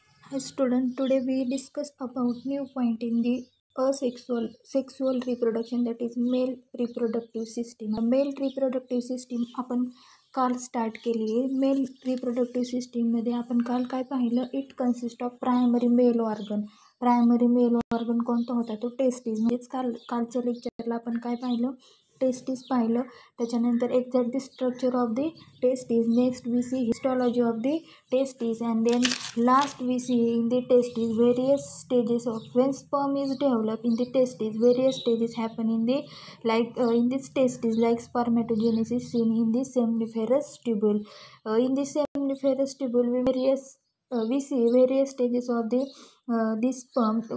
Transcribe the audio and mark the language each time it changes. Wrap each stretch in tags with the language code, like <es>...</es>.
<en>Hi student, today we discuss about new point in the asexual reproduction, that is male reproductive system. The male reproductive system</en> <mr>आपण काल start केली आहे. Male reproductive सिस्टीममध्ये आपण काल काय पाहिलं,</mr> <en>It consist of primary male organ.</en> <mr>Primary mail organ कोणता होता, तो टेस्टीस. म्हणजेच कालच्या लेक्चरला आपण काय पाहिलं, टेस्टीस पाहिलं.</mr> <en>त्याच्यानंतर exact the structure of the testes. Next we see histology of the testes. And then last we see in the testes various stages of when sperm is develop in the testes. Various stages happen in the like in this testes, like spermatogenesis seen in the seminiferous tubule. In the seminiferous tubule we see various stages of this sperm.</en>